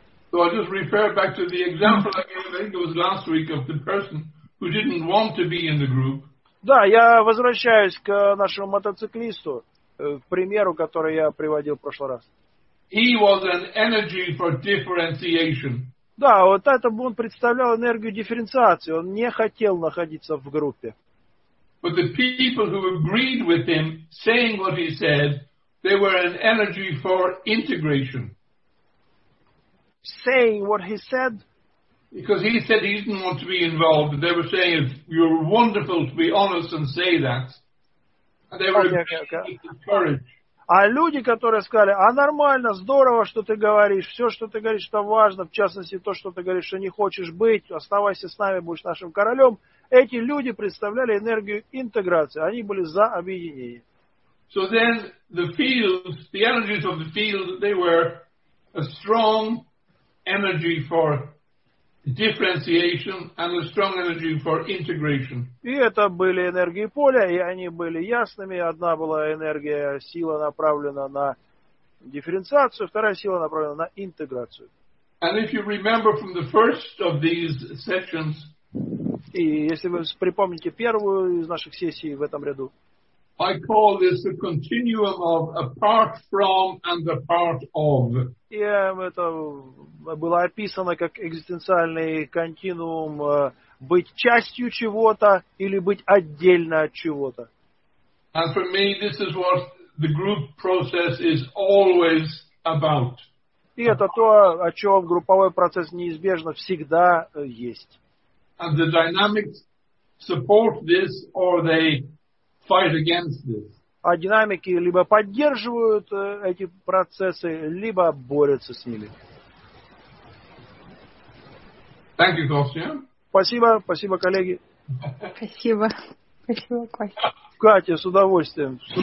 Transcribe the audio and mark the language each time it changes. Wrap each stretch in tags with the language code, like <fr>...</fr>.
<en>So I just refer back to the example I gave, I think it was last week, of the person who didn't want to be in the group.</en> <ru>Да, я возвращаюсь к нашему мотоциклисту, к примеру, который я приводил в прошлый раз.</ru> <en>He was an energy for differentiation.</en> <ru>Да, вот это он представлял энергию дифференциации, он не хотел находиться в группе.</ru> <en>But the people who agreed with him, saying what he said, they were an energy for integration. Saying what he said. Because he said he didn't want to be involved. They were saying, you're wonderful to be honest and say that. And they were with the courage.</en> <ru>А люди, которые сказали, а нормально, здорово, что ты говоришь, все, что ты говоришь, это важно, в частности, то, что ты говоришь, что не хочешь быть, оставайся с нами, будешь нашим королем. Эти люди представляли энергию интеграции. Они были за объединение.</ru> <en>So then the fields, the energies of the field, they were a strong energy for differentiation and a strong energy for integration.</en> <ru>И это были энергии поля, и они были ясными. Одна была энергия, сила направлена на дифференциацию, вторая сила направлена на интеграцию.</ru> <en>And if you remember from the first of these sessions,</en> <ru>и если вы припомните первую из наших сессий в этом ряду,</ru> <en>I call this the continuum of apart from and apart of.</en> <ru>И это было описано как экзистенциальный континуум быть частью чего-то или быть отдельно от чего-то.</ru> <en>And for me, this is what the group process is always about.</en> <ru>И это то, о чем групповой процесс неизбежно всегда есть.</ru> <en>And the dynamics support this, or they fight against this.</en> <ru>А динамики либо поддерживают эти процессы, либо борются с ними.</ru> <en>Thank you, Костя.</en> <ru>Спасибо, коллеги. Спасибо, Костя. Катя, с удовольствием.</ru>